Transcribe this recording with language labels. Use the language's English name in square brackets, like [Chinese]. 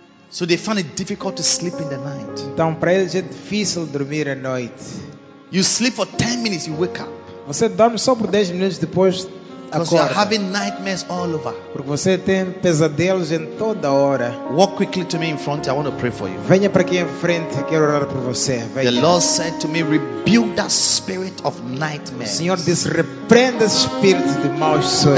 [English] So they find it difficult to sleep in the night. [Portuguese] Então para eles é difícil dormir à noite. [English] You sleep for 10 minutes, you wake up. [Portuguese] Você dorme só por 10 minutos depois acorda. [English] Because you're having nightmares all over. [Portuguese] Porque você tem pesadelos em toda hora. [English] Walk quickly to me in front. I want to pray for you. [Portuguese] Venha para aqui em frente. Quero orar por você. Venha. [English] The Lord said to me, rebuke that spirit of nightmares. [Portuguese] O Senhor disse, repreenda esse espírito de maus sonhos.